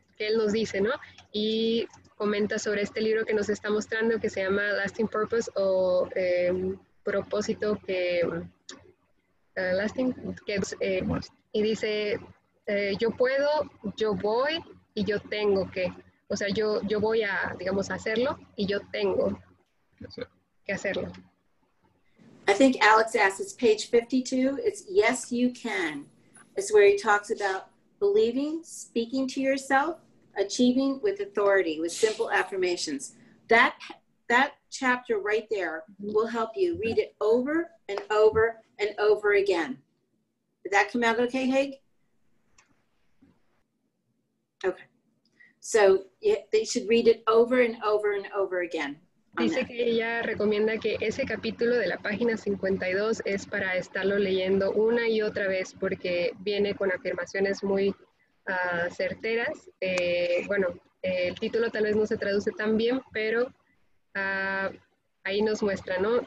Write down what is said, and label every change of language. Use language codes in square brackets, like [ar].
[es] que él nos dice, ¿no? Y comenta sobre este libro que nos está mostrando que se llama Lasting Purpose o propósito que [en] last thing, [es] que, y dice, yo puedo, yo voy, y yo tengo que. O sea, yo voy a, digamos, hacerlo, y yo tengo que hacerlo. [en] I think Alex asks, it's page 52, it's yes, you can. It's where he talks about believing, speaking to yourself, achieving with authority, with simple affirmations. That chapter right there will help you read it over and over and over again. Did that come out okay, Haig? Okay. So they should read it over and over and over again. [es] Dice que ella recomienda que ese capítulo de la página 52 es para estarlo leyendo una y otra vez porque viene con afirmaciones muy certeras. Bueno, el título tal vez no se traduce tan bien, pero ahí nos muestra, ¿no?